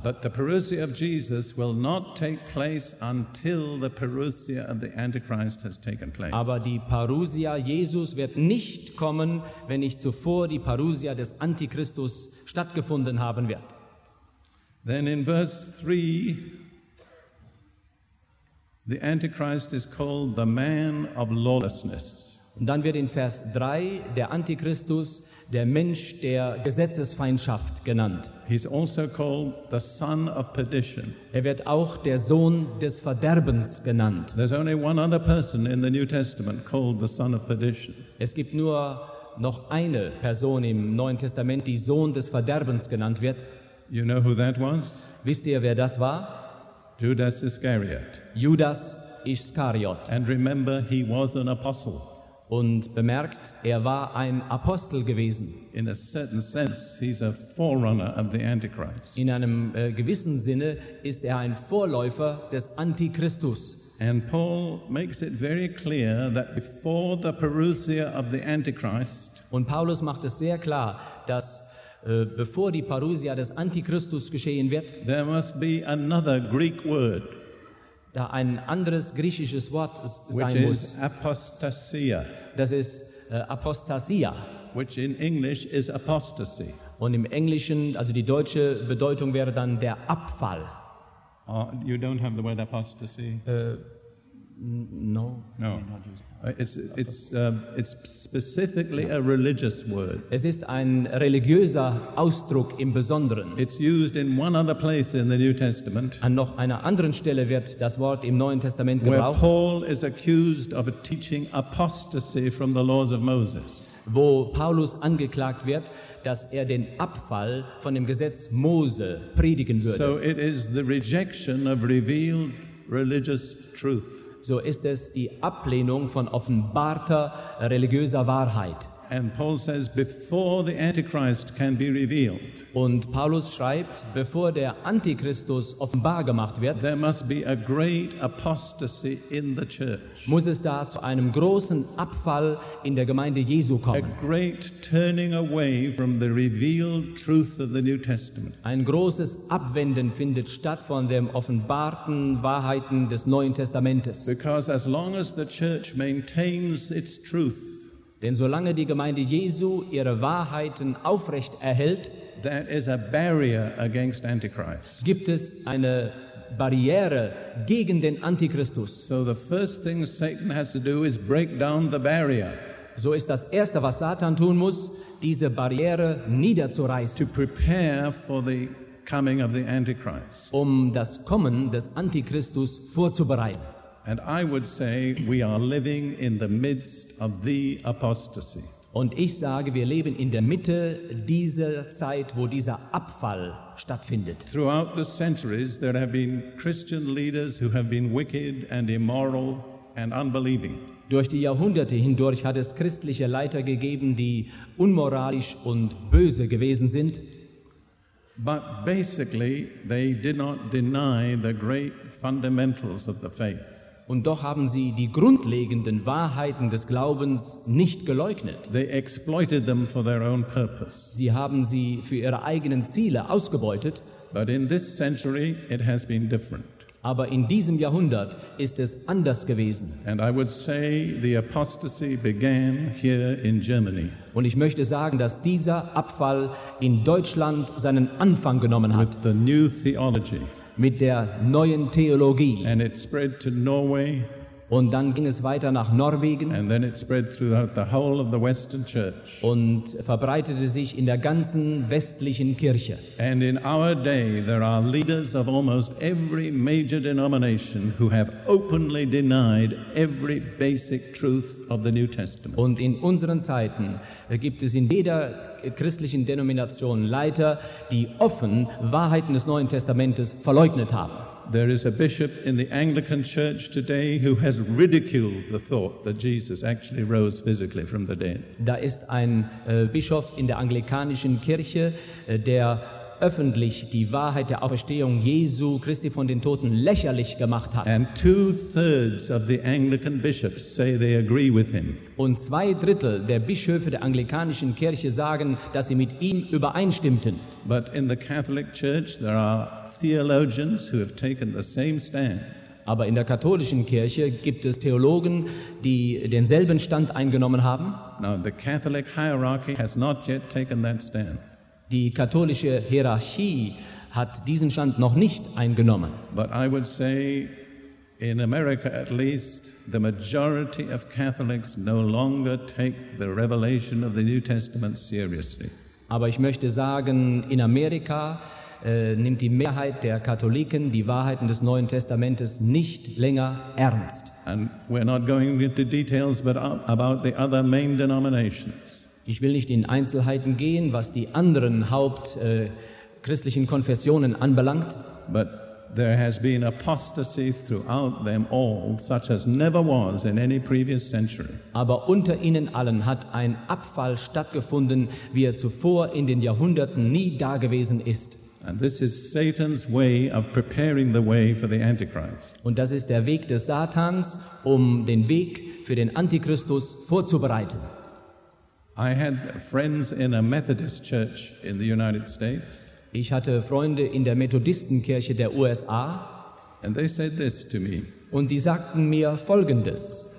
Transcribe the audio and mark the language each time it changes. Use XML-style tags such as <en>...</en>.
<en>But the parousia of Jesus will not take place until the parousia of the Antichrist has taken place.</en> <de>Aber die Parousia Jesus wird nicht kommen, wenn nicht zuvor die Parousia des Antichristus stattgefunden haben wird.</de> <en>Then in verse 3, the Antichrist is called the man of lawlessness.</en> <de>Und dann wird in Vers 3 der Antichristus der Mensch der Gesetzesfeindschaft genannt.</de> <en>He's also called the son of perdition.</en> <de>Er wird auch der Sohn des Verderbens genannt.</de> <en>There's only one other person in the New Testament called the son of perdition.</en> <de>Es gibt nur noch eine Person im Neuen Testament, die Sohn des Verderbens genannt wird.</de> <en>You know who that was?</en> <de>Wisst ihr, wer das war?</de> <en>Judas Iscariot.</en> <de>Judas Iskariot.</de> <en>And remember, he was an apostle.</en> <de>Und bemerkt, er war ein Apostel gewesen.</de> <en>In a certain sense, he's a forerunner of the Antichrist.</en> <de>In einem gewissen Sinne ist er ein Vorläufer des Antichristus.</de> <en>And Paul makes it very clear that before the parousia of the Antichrist.</en> <de>Und Paulus macht es sehr klar, dass bevor die Parousia des Antichristus geschehen wird,</de> <en>there must be another Greek word,</en> <de>da ein anderes griechisches Wort sein</de> <en>which</en> <de>muss,</de> <en>is apostasia,</en> <de>das ist apostasia,</de> <en>which in English is apostasy.</en> <de>Und im Englischen, also die deutsche Bedeutung wäre dann der Abfall.</de> <en>You don't have the word apostasy? No. It's specifically a religious word.</en> <de>Es ist ein religiöser Ausdruck im Besonderen.</de> <en>It's used in one other place in the New Testament.</en> <de>An noch einer anderen Stelle wird das Wort im Neuen Testament gebraucht.</de> <en>Where Paul is accused of teaching apostasy from the laws of Moses.</en> <de>wo Paulus angeklagt wird, dass er den Abfall von dem Gesetz Mose predigen würde.</de> <en>So it is the rejection of revealed religious truth.</en> <de>So ist es die Ablehnung von offenbarter religiöser Wahrheit.</de> <en>And Paul says, before the Antichrist can be revealed,</en> <de>und Paulus schreibt, bevor der Antichristus offenbar gemacht wird,</de> <en>there must be a great apostasy in the church.</en> <de>Muss es da zu einem großen Abfall in der Gemeinde Jesu kommen.</de> <en>A great turning away from the revealed truth of the New Testament.</en> <de>Ein großes Abwenden findet statt von den offenbarten Wahrheiten des Neuen Testamentes.</de> <en>Because as long as the church maintains its truth,</en> <de>denn solange die Gemeinde Jesu ihre Wahrheiten aufrecht erhält,</de> <en>that is a barrier against Antichrist.</en> <de>Gibt es eine Barriere gegen den Antichristus.</de> <en>So the first thing Satan has to do is break down the barrier.</en> <de>So ist das Erste, was Satan tun muss, diese Barriere niederzureißen.</de> <en>To prepare for the coming of the Antichrist.</en> <de>Um das Kommen des Antichristus vorzubereiten.</de> <en>And I would say we are living in the midst of the apostasy.</en> <de>Und ich sage, wir leben in der Mitte dieser Zeit, wo dieser Abfall stattfindet.</de> <en>Throughout the centuries there have been Christian leaders who have been wicked and immoral and unbelieving.</en> <de>Durch die Jahrhunderte hindurch hat es christliche Leiter gegeben, die unmoralisch und böse gewesen sind.</de> <en>But basically they did not deny the great fundamentals of the faith.</en> <de>Und doch haben sie die grundlegenden Wahrheiten des Glaubens nicht geleugnet.</de> <en>They exploited them for their own purpose.</en> <de>Sie haben sie für ihre eigenen Ziele ausgebeutet.</de> <en>But in this century it has been different.</en> <de>Aber in diesem Jahrhundert ist es anders gewesen.</de> <en>And I would say the apostasy began here in Germany.</en> <de>Und ich möchte sagen, dass dieser Abfall in Deutschland seinen Anfang genommen hat.</de> <en>With the new theology.</en> <de>Mit der neuen Theologie.</de> <en>And it spread to Norway.</en> <de>Und dann ging es weiter nach Norwegen.</de> <en>And then it spread throughout the whole of the Western Church.</en> <de>Und verbreitete sich in der ganzen westlichen Kirche.</de> <en>And in our day there are leaders of almost every major denomination who have openly denied every basic truth of the New Testament.</en> <de>Und in unseren Zeiten gibt es in jeder christlichen Denominationen Leiter, die offen Wahrheiten des Neuen Testamentes verleugnet haben.</de> <en>There is a bishop in the Anglican Church today who has ridiculed the thought that Jesus actually rose physically from the dead.</en> <de>Da ist ein Bischof in der anglikanischen Kirche, der öffentlich die Wahrheit der Auferstehung Jesu Christi von den Toten lächerlich gemacht hat.</de> <en>And 2/3 of the Anglican bishops say they agree with him.</en> <de>Und 2/3 der Bischöfe der anglikanischen Kirche sagen, dass sie mit ihm übereinstimmten.</de> <en>But in the Catholic Church there are theologians who have taken the same stand.</en> <de>Aber in der katholischen Kirche gibt es Theologen, die denselben Stand eingenommen haben.</de> <en>Now the Catholic hierarchy has not yet taken that stand.</en> <de>Die katholische Hierarchie hat diesen Stand noch nicht eingenommen.</de> <en>But I would say in America at least the majority of Catholics no longer take the revelation of the New Testament seriously.</en> <de>Aber ich möchte sagen, in Amerika nimmt die Mehrheit der Katholiken die Wahrheiten des Neuen Testamentes nicht länger ernst.</de> <en>And we're not going into details but about the other main denominations.</en> <de>Ich will nicht in Einzelheiten gehen, was die anderen hauptchristlichen Konfessionen anbelangt.</de> <en>But there has been apostasy throughout them all, such as never was in any previous century.</en> <de>Aber unter ihnen allen hat ein Abfall stattgefunden, wie er zuvor in den Jahrhunderten nie dagewesen ist.</de> <en>And this is Satan's way of preparing the way for the Antichrist.</en> <de>Und das ist der Weg des Satans, um den Weg für den Antichristus vorzubereiten.</de> <en>I had friends in a Methodist church in the United States.</en> <de>Ich hatte Freunde in der Methodistenkirche der USA.</de> <en>And they said this to me.</en> <de>Und die sagten mir Folgendes.</de>